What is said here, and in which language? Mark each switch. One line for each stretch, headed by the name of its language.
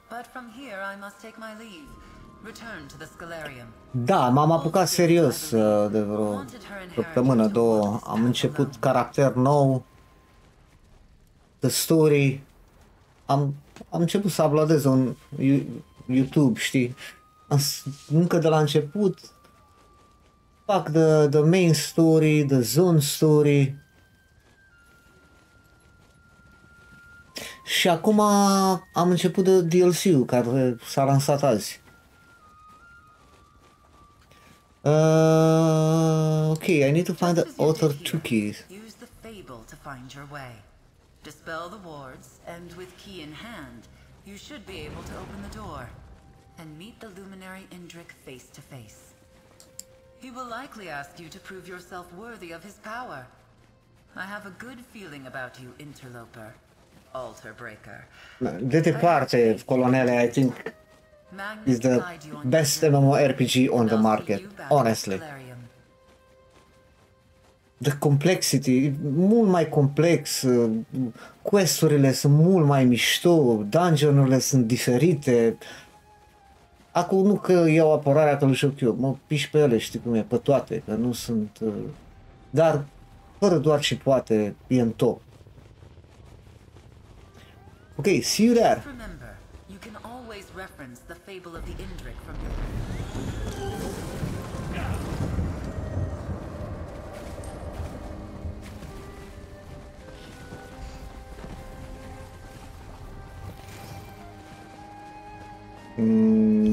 English: But from here I must take my leave. Return to the Scalarium.
Romanian: Da, m-am apucat serios de vreo săptămână, două. Am început caracter nou.
English: The story.
Romanian: Am început să abladez un YouTube, știi? Încă de la început. Fac
English: the main story, the zone story.
Romanian: Și acum am început de DLC-ul care s-a lansat azi.
English: Ok, I need to find the author two keys. Use the fable to find your way. Dispel the wards and with key in hand, you should be able to open the door and meet the luminary Indric face to face. He will likely ask you to prove yourself worthy of his power. I have a good feeling about you, interloper. Altar breaker.
Romanian: De departe, Colonele,
English: I think is the best MMORPG on the market, honestly. The complexity,
Romanian: mult mai complex, quest-urile sunt mult mai mișto, dungeon-urile sunt diferite. Acum nu că iau apărarea că nu știu eu, mă piși pe ele, știi cum e, pe toate, că nu sunt... Dar, fără doar și poate, e în top.
English: Okay, see you there. Remember, you can always reference the fable of the Indric from the...